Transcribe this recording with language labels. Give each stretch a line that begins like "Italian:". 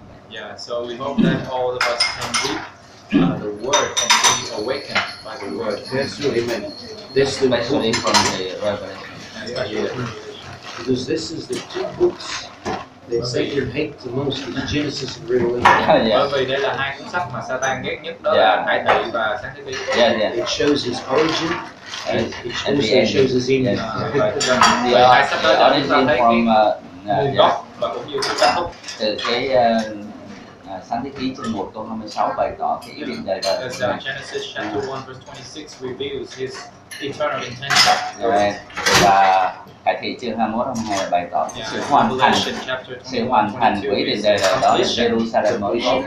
English: Yeah, so we hope that all of us can be the word and be awakened by the word. That's true, amen. This is the book from the Bible. Because this is the two books that Satan hates the most, is Genesis and Revelation.
Vietnamese: Bởi vì đây là hai cuốn sách mà Satan ghét nhất đó là Khải Thị và Sáng Thế Ký.
English: It shows his origin and it also shows his end.
Vietnamese: Hai sách đó chúng ta thấy cái nguồn gốc và cũng như cái kết thúc. Từ cái Sáng Thế Ký chương 1 câu 26 bày tỏ cái ý định đời đời.
English: Genesis chapter 1 verse 26 reveals his eternal intention.
Vietnamese: Rồi và cái thì chương 21 ông hề bày tỏ sự hoàn thành, sự hoàn thành của ý định đời đời đó là Jerusalem mới.